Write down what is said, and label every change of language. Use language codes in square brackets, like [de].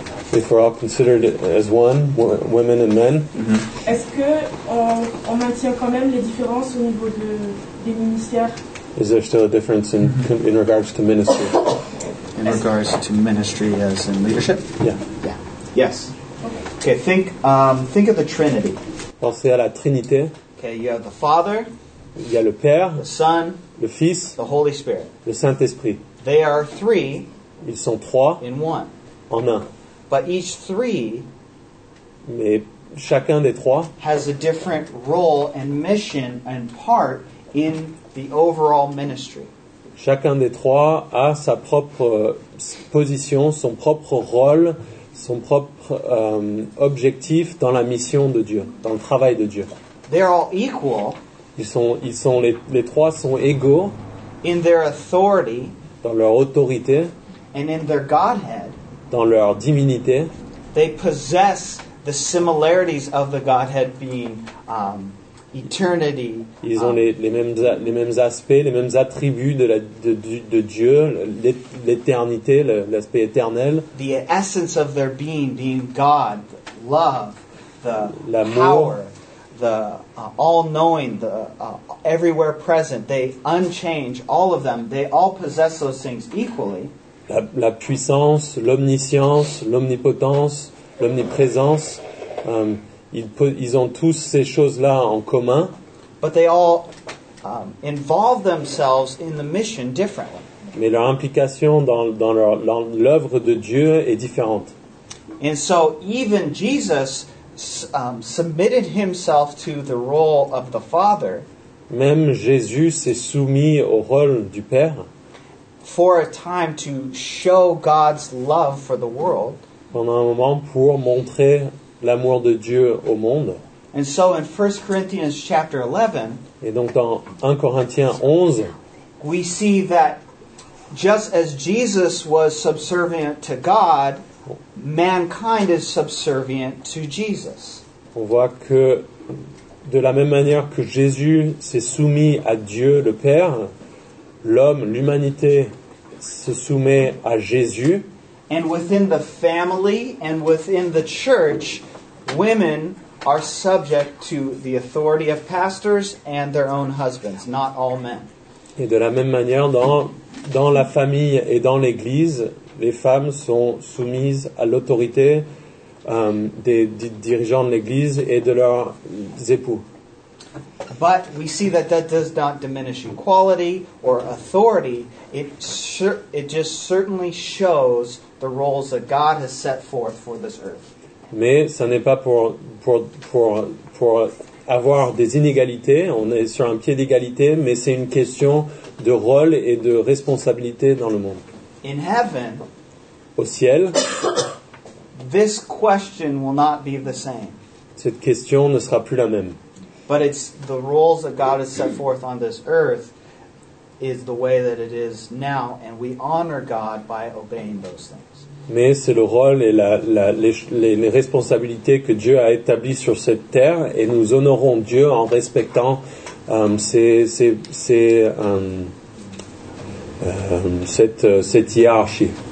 [en] If we're all considered as one, women and men. Mm-hmm. [fr] Est-ce que on maintient quand même les différences au niveau des ministères? [en] Is there still a difference in mm-hmm. in regards to ministry? In regards to ministry as in leadership? Yeah. Yes. Okay. Think of the Trinity. [fr] Pensez à la Trinité. [en] Okay, you have the Father. [fr] Il y a le Père, [en] the Son, [fr] le Fils, [en] the Holy Spirit. [fr] Le Saint-Esprit. [en] They are three. [fr] Ils sont trois. [en] In one. [fr] En un. [en] But each three. [fr] Mais chacun des trois [en] has a different role and mission and part in the overall ministry. [fr] Chacun des trois a sa propre position, son propre rôle, son propre objectif dans la mission de Dieu, dans le travail de Dieu. [en] They're all equal. [fr] Ils sont les trois sont égaux [en] in their authority, [fr] dans leur autorité, [en] and in their Godhead, [fr] dans leur divinité. [en] They possess the similarities of the Godhead being eternity. [fr] Ils ont les mêmes aspects, les mêmes attributs de Dieu, l'éternité, l'aspect éternel. [en] The essence of their being God, love, the [fr] l'amour, [en] power, the all-knowing, the everywhere present. They unchange, all of them. They all possess those things equally. [fr] La puissance, l'omniscience, l'omnipotence, l'omniprésence, ils ont tous ces choses-là en commun. [en] But they all involve themselves in the mission differently. [fr] Mais leur implication dans l'œuvre de Dieu est différente. [en] And so even Jesus submitted himself to the role of the Father. [fr] Même Jésus s'est soumis au rôle du Père. [en] For a time to show God's love for the world. [fr] Pendant un moment pour montrer l'amour de Dieu au monde. [en] And so in 1 Corinthians chapter 11, [fr] et donc dans 1 Corinthiens 11, [en] we see that just as Jesus was subservient to God, mankind is subservient to Jesus. [fr] On voit que de la même manière que Jésus s'est soumis à Dieu le Père, l'homme, l'humanité se soumet à Jésus. [en] And within the family and within the church, women are subject to the authority of pastors and their own husbands, not all men. [fr] Et de la même manière, dans la famille et dans l'église, les femmes sont soumises à l'autorité des dirigeants de l'église et de leurs époux. [en] But we see that that does not diminish equality or authority. It just certainly shows the roles that God has set forth for this earth. [fr] Mais ça n'est pas pour avoir des inégalités. On est sur un pied d'égalité, mais c'est une question de rôle et de responsabilité dans le monde. [en] In heaven, [fr] au ciel, [en] this question will not be the same. [fr] Cette question ne sera plus la même. [en] But it's the roles that God has set forth on this earth is the way that it is now, and we honor God by obeying those things. [fr] Mais c'est le rôle et les responsabilités que Dieu a établies sur cette terre, et nous honorons Dieu en respectant cette hiérarchie.